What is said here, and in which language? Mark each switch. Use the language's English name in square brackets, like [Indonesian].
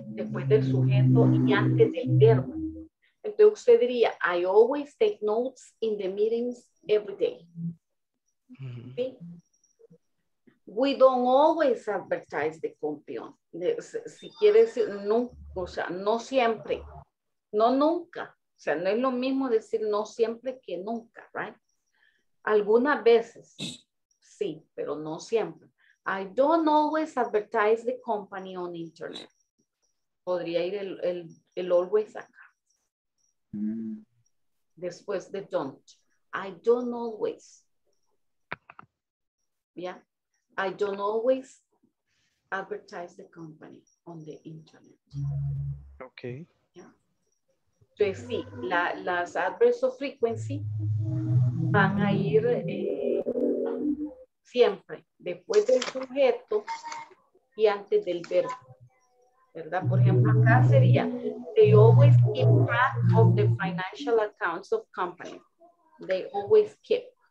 [Spanish] Después del sujeto y antes del verbo. Entonces usted diría, [English] I always take notes in the meetings every day. [Spanish] ¿Sí? [English] We don't always advertise the campaign. [Spanish] Si quiere decir, no, o sea, no siempre, no nunca. O sea, no es lo mismo decir no siempre que nunca, right? Algunas veces, sí, pero no siempre. [English] I don't always advertise the company on internet. [Spanish] Podría ir el always acá. Después de [English] don't. I don't always. [Spanish] ¿Ya? [English] Yeah? I don't always advertise the company on the internet. Okay. [Spanish] Entonces, sí, las adverbs of frequency van a ir siempre después del sujeto y antes del verbo, ¿verdad? Por ejemplo, acá sería, [English] they always keep track of the financial accounts of company. They always keep.